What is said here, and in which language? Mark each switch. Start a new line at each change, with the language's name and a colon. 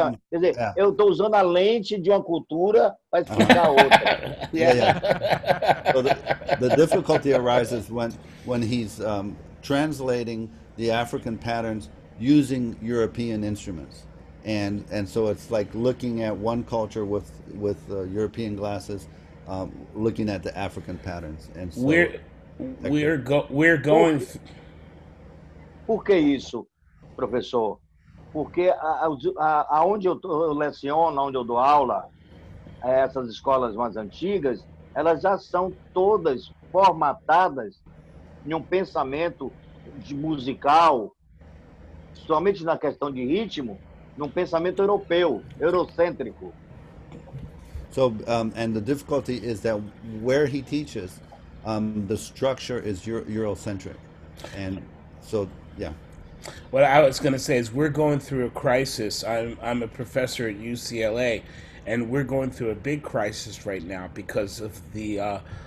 Portuguese: Quer dizer, eu estou usando a lente de uma cultura para explicar outra.
English: So the difficulty arises when he's translating the African patterns using European instruments. And so it's like looking at one culture with European glasses, looking at the African patterns. And so, We're going.
Portuguese: Por que isso, professor? Porque aonde eu leciono, onde eu dou aula, essas escolas mais antigas, elas já são todas formatadas em um pensamento de musical, somente na questão de ritmo, num pensamento europeu, eurocêntrico.
English: So, and the difficulty is that where he teaches, the structure is Eurocentric, and so yeah. What I was going to say is we're going through a crisis. I'm a professor at UCLA, and we're going through a big crisis right now because of the